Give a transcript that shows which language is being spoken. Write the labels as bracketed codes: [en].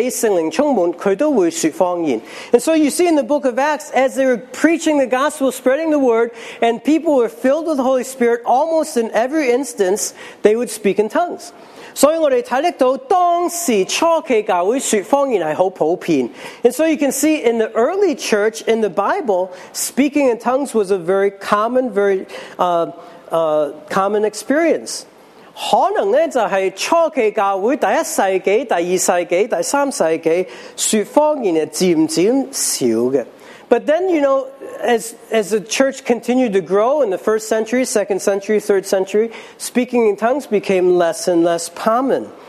[zh] 所以我们看到在《使徒行传》几乎每次当福音传开的时候，是有人被圣灵充满，他都会说方言. [en] And so you see in the book of Acts, as they were preaching the gospel, spreading the word, and people were filled with the Holy Spirit, almost in every instance, they would speak in tongues. [zh] 所以我们看到当时初期教会说方言是很普遍. [en] And so you can see in the early church, in the Bible, speaking in tongues was a very common, common experience. [zh] 可能就是初期教会第一世纪、第二世纪、第三世纪说方言是渐渐少的. [en] But then, you know, as the church continued to grow in the first century, second century, third century, speaking in tongues became less and less common.